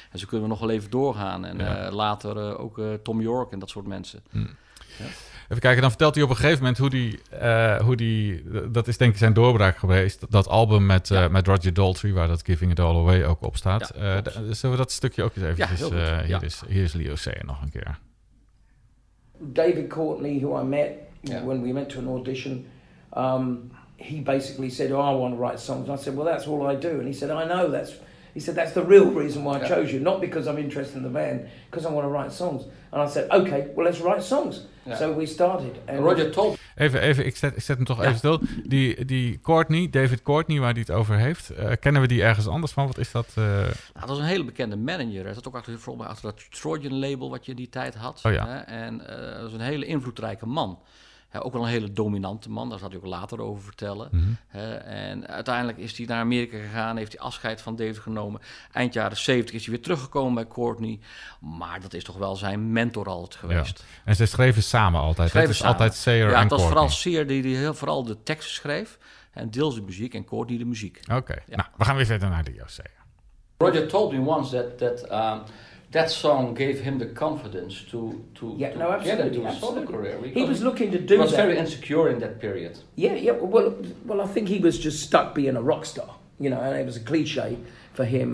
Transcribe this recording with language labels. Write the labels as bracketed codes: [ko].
[nl] En zo kunnen we nog wel even doorgaan. En later ook Tom York en dat soort mensen. Hmm. Ja. Even kijken, dan vertelt hij op een gegeven moment hoe die dat is denk ik zijn doorbraak geweest. Dat album met Roger Daltrey, waar dat Giving It All Away ook op staat. Ja, zullen we dat stukje ook eens even... Hier is Leo Sayer nog een keer. [en] David Courtney, who I met when we went to an audition, he basically said, oh, I want to write songs. And I said, well, that's all I do. And he said, I know, that's... He said, that's the real reason why I chose you. Not because I'm interested in the band, because I want to write songs. And I said, okay, well, let's write songs. Yeah. So we started. And Roger Talk. [nl] Even, ik zet hem toch even stil. Die Courtney, David Courtney, waar hij het over heeft. Kennen we die ergens anders van? Wat is dat? Dat was een hele bekende manager. Hij zat ook achter dat Trojan label wat je in die tijd had. Oh, ja. En dat was een hele invloedrijke man. Ja, ook wel een hele dominante man, daar zal hij ook later over vertellen. Mm-hmm. En uiteindelijk is hij naar Amerika gegaan, heeft hij afscheid van David genomen. Eind jaren 70 is hij weer teruggekomen bij Courtney. Maar dat is toch wel zijn mentor altijd geweest. Ja. En ze schreven samen altijd. Schreven het is altijd Sayer en Courtney. Ja, het was vooral Sayer die heel vooral de teksten schreef. En deels de muziek en Courtney de muziek. Oké. Nou, we gaan weer verder naar de Leo Sayer. [en] Roger told me once that song gave him the confidence to get into his solo career. He was looking to do that. He was very insecure in that period. Yeah. Well, I think he was just stuck being a rock star. You know, and it was a cliche for him.